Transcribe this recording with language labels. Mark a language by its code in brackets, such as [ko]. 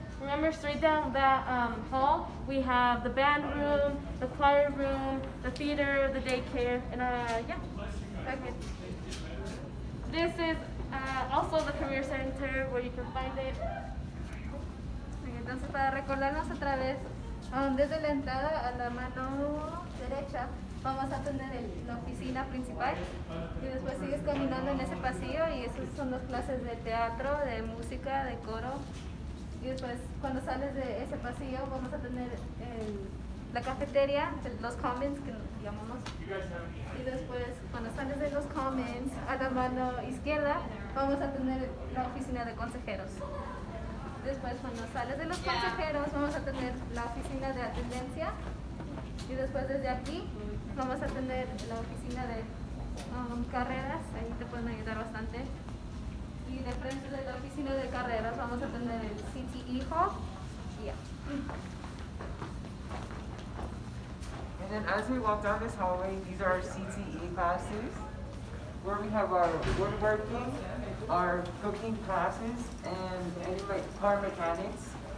[en] Remember, straight down that hall, we have the band room, the choir room, the theater, the daycare, and okay. This is also the career center where you can find it. [es] Entonces, para recordarnos otra vez, desde la entrada a la mano derecha, vamos a tener la oficina principal y después sigues caminando en ese pasillo y esas son las clases de teatro, de música, de coro. Y después, cuando sales de ese pasillo, vamos a tener la cafetería, los commons que llamamos. Y después, cuando sales de los commons, a la mano izquierda, vamos a tener la oficina de consejeros. Después, cuando sales de los consejeros, vamos a tener la oficina de atendencia. Y después, desde aquí, vamos a tener la oficina de carreras. Ahí te pueden ayudar bastante. Y de frente de la oficina de carreras, vamos a tener el CTE Hall. [en] Yeah. And then as we walk down this hallway, these are our CTE classes, where we have our woodworking, our cooking classes, and anyway, car mechanics.